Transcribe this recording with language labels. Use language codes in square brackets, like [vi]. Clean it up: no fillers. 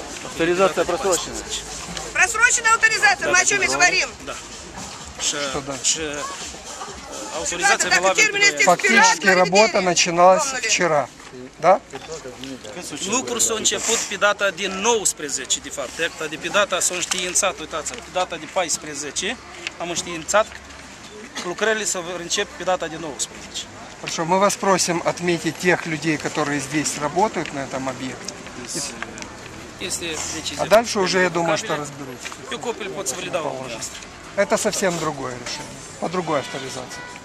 [ru] Авторизация просрочена. Просрочена авторизация, мы о чем и говорим. Что да? Авторизация была введена. Фактически работа начиналась вчера. [ro] Da? Lucrul s-a început pe data din 19, de fapt. Acta de pe data s-a înștiințat, uitați-vă, pe data de 14 am înștiințat lucrările să începe pe data din 19. [ru] Хорошо, мы вас просим отметить тех людей, которые здесь работают на этом объекте. Если а дальше уже, я думаю, что разберусь. И копель под свалидовал. Это совсем другое решение, по другой авторизации.